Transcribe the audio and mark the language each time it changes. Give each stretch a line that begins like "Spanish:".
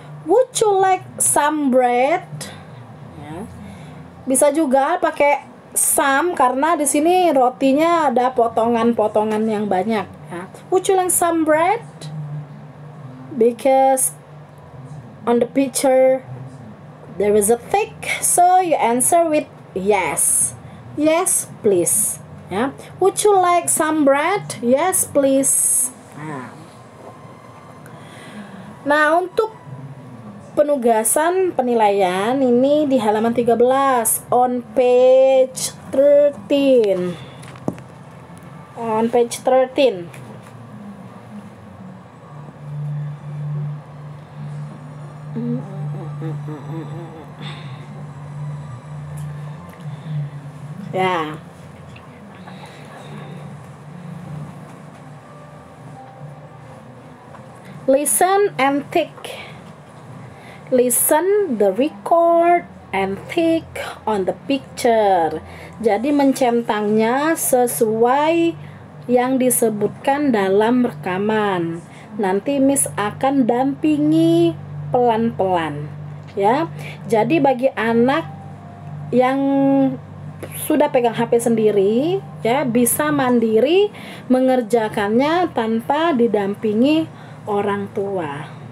English: Would you like some bread?
Indonesian: Bisa juga pakai some karena di sini rotinya ada potongan-potongan yang banyak.
English: Would you like some bread? Because on the picture there is a thick, so you answer with yes. Yes, please. Ya. Would you like some bread? Yes, please.
Indonesian: Nah, untuk penugasan penilaian ini di halaman 13
English: on page 13. On page 13. Ya. Listen and think. Listen the record and think on the picture.
Indonesian: Jadi mencentangnya sesuai yang disebutkan dalam rekaman. Nanti Miss akan dampingi pelan-pelan ya. Jadi bagi anak yang sudah pegang HP sendiri ya, bisa mandiri mengerjakannya tanpa didampingi orang tua.